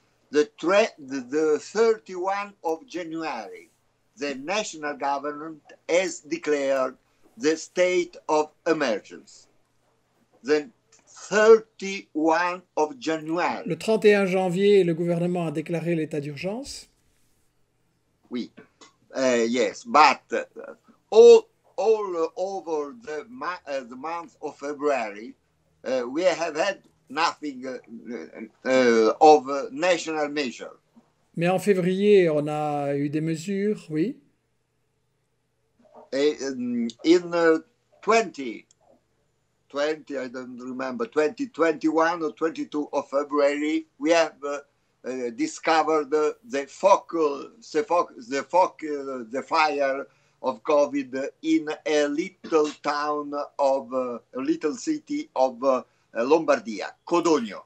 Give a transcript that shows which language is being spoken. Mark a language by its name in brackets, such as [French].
[English] The 31 of January, the national government has declared the state of emergency. The 31 of January. [French] Le 31 janvier, le gouvernement a déclaré l'état d'urgence. Oui. [English] Yes, but all over the month of February, we have had nothing of national measure. [French] Mais en février, on a eu des mesures, oui. [English] In 20, I don't remember, 2021 or 22 of February, we have discovered the fire of COVID in a little town of a little city of Lombardia, Codogno.